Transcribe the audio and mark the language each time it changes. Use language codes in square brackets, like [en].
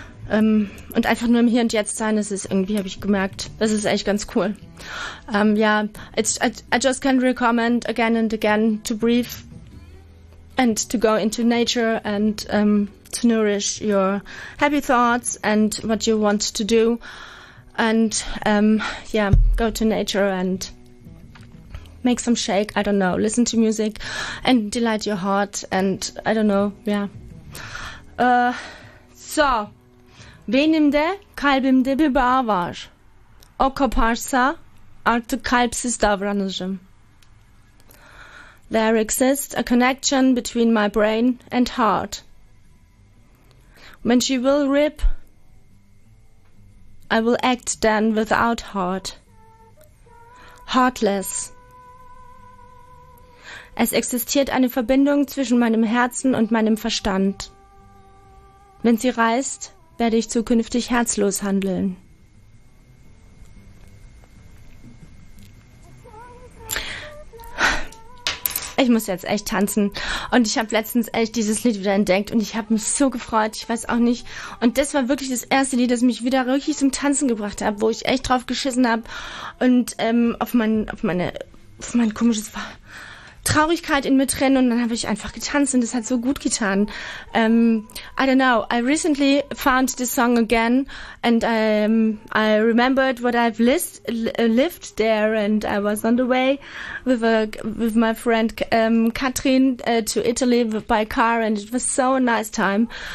[de] Und einfach nur im Hier und Jetzt sein, das ist irgendwie, habe ich gemerkt, das ist echt ganz cool. [en] I just can recommend again and again to breathe and to go into nature and to nourish your happy thoughts and what you want to do. And go to nature and make some shake, I don't know, listen to music and delight your heart and I don't know, yeah. [tr] So, benimde kalbimde bir bağ var. O koparsa artık kalpsiz davranırım. [en] There exists a connection between my brain and heart. When she will rip, I will act then without heart. Heartless. [de] Es existiert eine Verbindung zwischen meinem Herzen und meinem Verstand. Wenn sie reißt, werde ich zukünftig herzlos handeln. Ich muss jetzt echt tanzen. Und ich habe letztens echt dieses Lied wieder entdeckt und ich habe mich so gefreut, ich weiß auch nicht. Und das war wirklich das erste Lied, das mich wieder wirklich zum Tanzen gebracht hat, wo ich echt drauf geschissen habe und auf mein komisches Traurigkeit in mir drin und dann habe ich einfach getanzt und das hat so gut getan. [en] I don't know, I recently found this song again and I remembered what I've lived there and I was on the way with my friend Katrin to Italy by car and it was so a nice time.